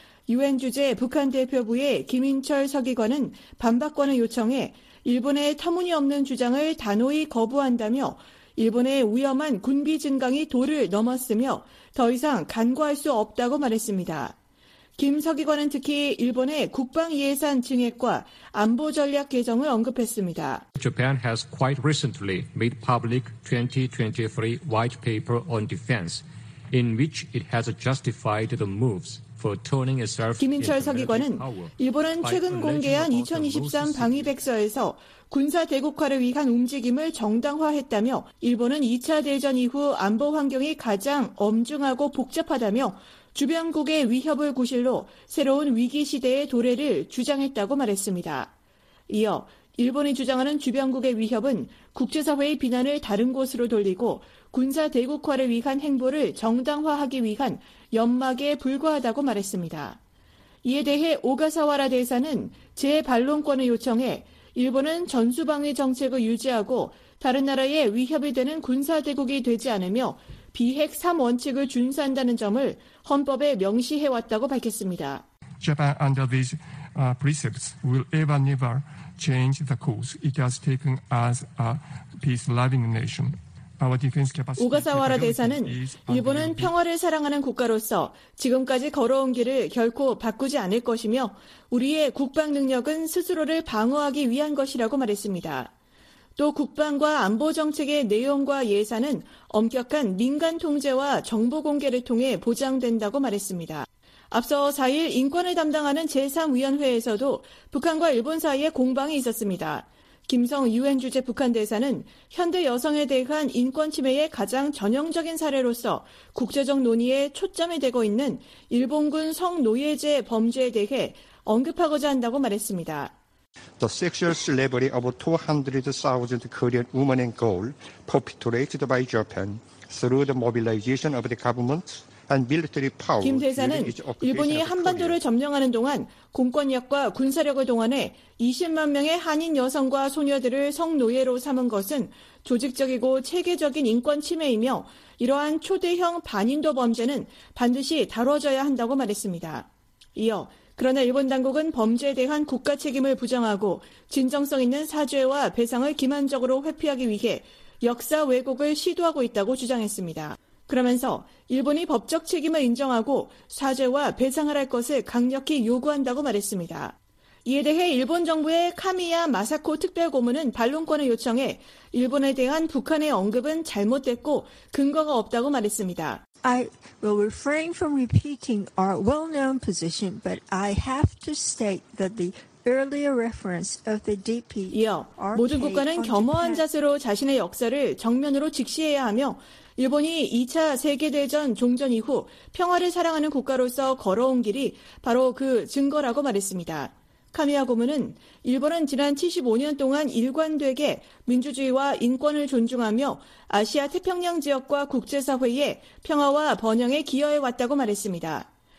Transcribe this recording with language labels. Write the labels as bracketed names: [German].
[Korean] 유엔 주재 북한 대표부의 김인철 서기관은 반박권을 요청해 일본의 터무니없는 주장을 단호히 거부한다며 일본의 위험한 군비 증강이 도를 넘었으며 더 이상 간과할 수 없다고 말했습니다. 김 서기관은 특히 일본의 국방 예산 증액과 안보 전략 개정을 언급했습니다. [English] Japan has quite recently made public 2023 white paper on defense in which it has justified the moves. [Korean] 김인철 서기관은 일본은 최근 공개한 2023 방위백서에서 군사 대국화를 위한 움직임을 정당화했다며 일본은 2차 대전 이후 안보 환경이 가장 엄중하고 복잡하다며 주변국의 위협을 구실로 새로운 위기 시대의 도래를 주장했다고 말했습니다. 이어 일본이 주장하는 주변국의 위협은 국제사회의 비난을 다른 곳으로 돌리고 군사 대국화를 위한 행보를 정당화하기 위한 연막에 불과하다고 말했습니다. 이에 대해 오가사와라 대사는 재반론권을 요청해 일본은 전수방위 정책을 유지하고 다른 나라의 위협이 되는 군사대국이 되지 않으며 비핵 3원칙을 준수한다는 점을 헌법에 명시해왔다고 밝혔습니다. [English] Japan under these precepts will ever never change the course it has taken as a peace-loving nation. [Korean] 오가사와라 대사는 일본은 평화를 사랑하는 국가로서 지금까지 걸어온 길을 결코 바꾸지 않을 것이며 우리의 국방 능력은 스스로를 방어하기 위한 것이라고 말했습니다. 또 국방과 안보 정책의 내용과 예산은 엄격한 민간 통제와 정보 공개를 통해 보장된다고 말했습니다. 앞서 4일 인권을 담당하는 제3위원회에서도 북한과 일본 사이에 공방이 있었습니다. 김성 유엔 주재 북한 대사는 현대 여성에 대한 인권 침해의 가장 전형적인 사례로서 국제적 논의에 초점이 되고 있는 일본군 성노예제 범죄에 대해 언급하고자 한다고 말했습니다. [English] The sexual slavery of 200,000 Korean women and girls perpetrated by Japan through the mobilization of the government. [Korean] 김 대사는 일본이 한반도를 점령하는 동안 공권력과 군사력을 동원해 20만 명의 한인 여성과 소녀들을 성노예로 삼은 것은 조직적이고 체계적인 인권 침해이며 이러한 초대형 반인도 범죄는 반드시 다뤄져야 한다고 말했습니다. 이어 그러나 일본 당국은 범죄에 대한 국가 책임을 부정하고 진정성 있는 사죄와 배상을 기만적으로 회피하기 위해 역사 왜곡을 시도하고 있다고 주장했습니다. 그러면서 일본이 법적 책임을 인정하고 사죄와 배상을 할 것을 강력히 요구한다고 말했습니다. 이에 대해 일본 정부의 카미야 마사코 특별고문은 반론권을 요청해 일본에 대한 북한의 언급은 잘못됐고 근거가 없다고 말했습니다. [English] I will refrain from repeating our well-known position, but I have to state that the earlier reference of the DPRK [Korean] 이어 모든 국가는 겸허한 자세로 자신의 역사를 정면으로 직시해야 하며 일본이 2차 세계대전 종전 이후 평화를 사랑하는 국가로서 걸어온 길이 바로 그 증거라고 말했습니다. 카미야 고문은 일본은 지난 75년 동안 일관되게 민주주의와 인권을 존중하며 아시아 태평양 지역과 국제사회에 평화와 번영에 기여해왔다고 말했습니다.